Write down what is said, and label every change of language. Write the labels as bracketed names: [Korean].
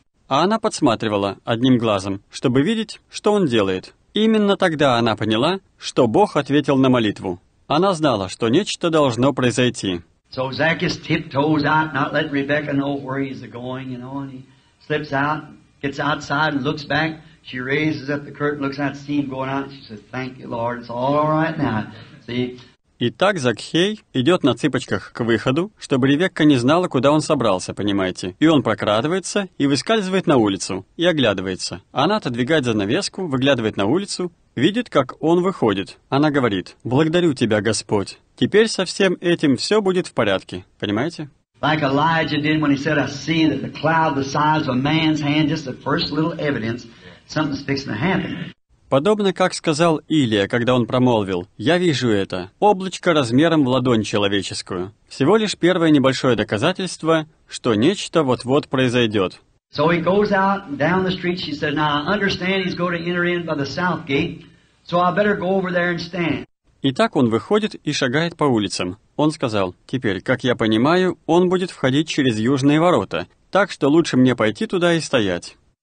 [Russian] А она подсматривала одним глазом, чтобы видеть, что он делает. Именно тогда она поняла, что Бог ответил на молитву. Она знала, что нечто должно произойти. [English] So Zacchaeus tiptoes out, not letting Rebecca know where he's going, you know, and he slips out, gets outside and looks back. She raises up the curtain, looks out, see him going out, and she says, thank you, Lord, it's all right now. See? [Russian] Итак, Закхей идет на цыпочках к выходу, чтобы Ревекка не знала, куда он собрался, понимаете. И он прокрадывается и выскальзывает на улицу, и оглядывается. Она отодвигает занавеску, выглядывает на улицу, видит, как он выходит. Она говорит, «Благодарю тебя, Господь. Теперь со всем этим все будет в порядке». Понимаете? [English] Like Elijah did when he said, I see that the cloud the size of a man's hand, just the first little evidence, something's fixing to happen. [Russian] Подобно как сказал Илия, когда он промолвил, «Я вижу это, облачко размером в ладонь человеческую». Всего лишь первое небольшое доказательство, что нечто вот-вот произойдет. [English] So he goes out and down the street, she said, now I understand he's going to enter in by the south gate, so I better go over there and stand. [Russian] Итак, он выходит и шагает по улицам. Он сказал, «Теперь, как я понимаю, он будет входить через южные ворота, так что лучше мне пойти туда и стоять».